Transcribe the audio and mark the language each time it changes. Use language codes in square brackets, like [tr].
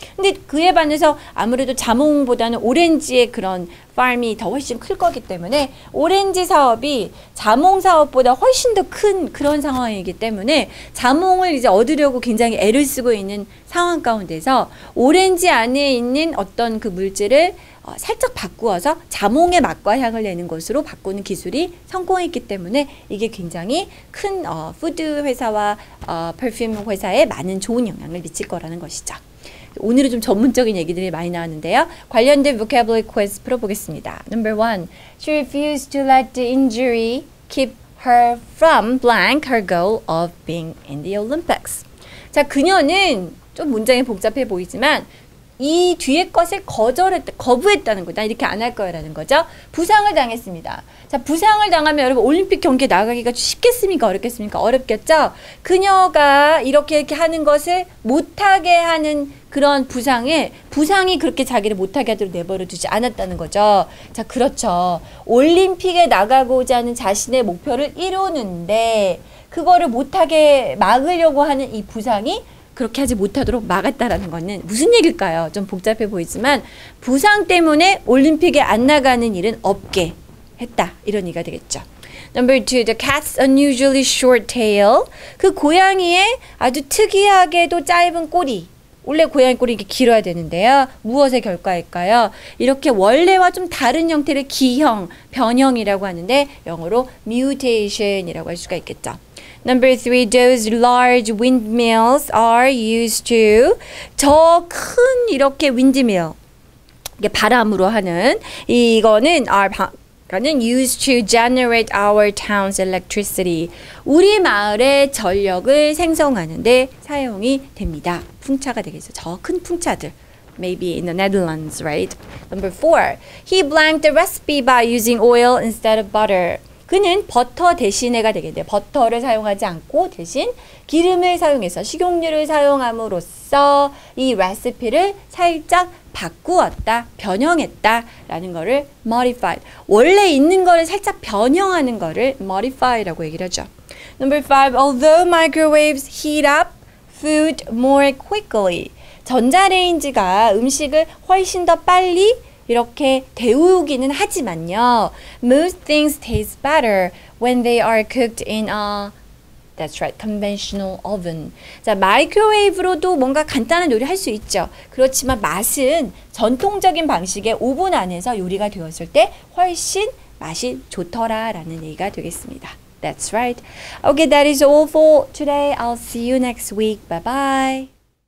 [ko] 근데 그에 반해서 아무래도 자몽보다는 오렌지의 그런 farm이 더 훨씬 클 거기 때문에 오렌지 사업이 자몽 사업보다 훨씬 더 큰 그런 상황이기 때문에 자몽을 이제 얻으려고 굉장히 애를 쓰고 있는 상황 가운데서 오렌지 안에 있는 어떤 그 물질을 살짝 바꾸어서 자몽의 맛과 향을 내는 것으로 바꾸는 기술이 성공했기 때문에 이게 굉장히 큰 푸드 회사와 퍼퓸 회사에 많은 좋은 영향을 미칠 거라는 것이죠. 오늘은 좀 전문적인 얘기들이 많이 나왔는데요. 관련된 vocabulary quiz 풀어보겠습니다. [en] Number one, she refused to let the injury keep her from blank her goal of being in the Olympics. [ko] 자, 그녀는 좀 문장이 복잡해 보이지만 이 뒤에 것을 거부했다는 거죠. 난 이렇게 안 할 거야 라는 거죠. 부상을 당했습니다. 자, 부상을 당하면 여러분 올림픽 경기에 나가기가 쉽겠습니까? 어렵겠습니까? 어렵겠죠? 그녀가 이렇게 하는 것을 못하게 하는 그런 부상에 부상이 그렇게 자기를 못하게 하도록 내버려 두지 않았다는 거죠. 자, 그렇죠. 올림픽에 나가고자 하는 자신의 목표를 이루는데 그거를 못하게 막으려고 하는 이 부상이 그렇게 하지 못하도록 막았다라는 것은 무슨 얘기일까요? 좀 복잡해 보이지만 부상 때문에 올림픽에 안 나가는 일은 없게 했다. 이런 얘기가 되겠죠. [en] Number two, the cat's unusually short tail. [ko] 그 고양이의 아주 특이하게도 짧은 꼬리. 원래 고양이 꼬리 이렇게 길어야 되는데요. 무엇의 결과일까요? 이렇게 원래와 좀 다른 형태를 기형, 변형이라고 하는데 영어로 mutation이라고 할 수가 있겠죠. [en] Number three, those large windmills are used to [ko] 저 큰 이렇게 windmill 이게 바람으로 하는 이거는 [en] are used to generate our town's electricity [ko] 우리 마을의 전력을 생성하는데 사용이 됩니다. 풍차가 되겠죠. 저 큰 풍차들 [en] maybe in the Netherlands, right? Number four, he blanked the recipe by using oil instead of butter. [ko] 그는 버터 대신에가 되겠네요. 버터를 사용하지 않고 대신 기름을 사용해서 식용유를 사용함으로써 이 레시피를 살짝 바꾸었다, 변형했다라는 거를 modified. 원래 있는 거를 살짝 변형하는 거를 modify라고 얘기를 하죠. [en] Number five, although microwaves heat up food more quickly. [ko] 전자레인지가 음식을 훨씬 더 빨리 이렇게 데우기는 하지만요. [en] Most things taste better when they are cooked in a that's right, conventional oven. [ko] 자, 마이크로웨이브로도 뭔가 간단한 요리 할 수 있죠. 그렇지만 맛은 전통적인 방식의 오븐 안에서 요리가 되었을 때 훨씬 맛이 좋더라라는 얘기가 되겠습니다. [en] That's right. Okay, that is all for today. I'll see you next week. Bye-bye.